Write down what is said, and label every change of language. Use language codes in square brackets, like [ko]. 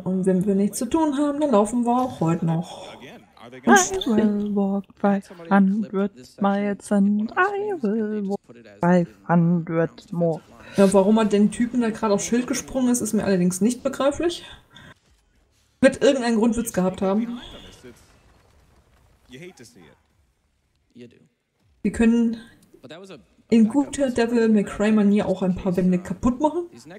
[de] Und wenn wir nichts zu tun haben, dann laufen wir auch heute noch. [en] I will walk 500 miles and I will walk 500 more. [de] Ja, warum hat den Typen da gerade aufs Schild gesprungen ist, ist mir allerdings nicht begreiflich. Wird irgendeinen Grund wird's gehabt haben. Wir können in guter Devil May Cry Manier auch ein paar Wände kaputt machen.